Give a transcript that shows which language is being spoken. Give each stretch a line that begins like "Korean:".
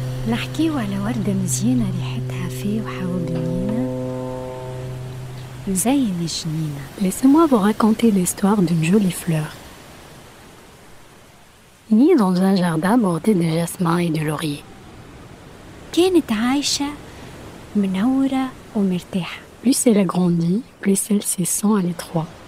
Arabic: نحكيو على وردة مزينة ريحتها فيه وحاول بنينة زين الجنينة.
French: Laissez-moi vous raconter l'histoire d'une jolie fleur. Née dans un jardin bordé de jasmin et de laurier.
Arabic: كانت عايشة منورة ومرتاحة.
French: Plus elle a grandi, plus elle se sent à l'étroit.